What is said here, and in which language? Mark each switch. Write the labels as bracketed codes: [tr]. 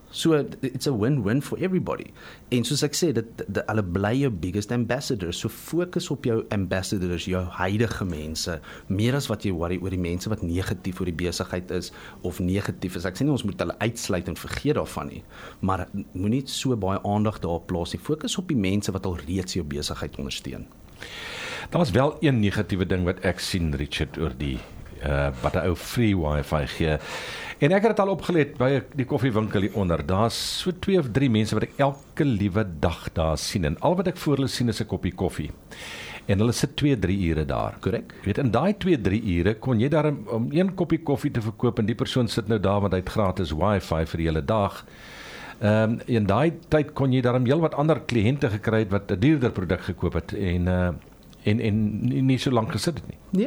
[en] So, it's a win-win for everybody. [af] En soos ek sê, hulle bly jou biggest ambassadors. So, focus op jou ambassadors, jou huidige mense, meer as wat jy worry oor die mense wat negatief oor die besigheid is, of negatief is. Ek sê nie, ons moet hulle uitsluit en vergeet daarvan nie. Maar, moet nie so baie aandag daarop plaas nie. Focus op die mense wat al reeds jou besigheid ondersteun. Daar was wel een negatieve ding wat ek sien, Richard, oor die wat een ou free wifi gee. En ek het het al opgeleid by die koffiewinkel hieronder. Daar is so 2 of 3 mense wat ek elke liewe dag daar sien. En al wat ek voor hulle sien is 'n koppie koffie. En hulle sit 2-3 ure daar. Korrek. Weet, in die 2-3 ure kon jy daar om 1 koppie koffie te verkoop, en die persoon sit nou daar want hy het gratis wifi vir die hele dag. In die tyd kon jy daarom heel wat ander kliënte gekry het wat 'n duurder product gekoop het en nie so lang gesit het nie.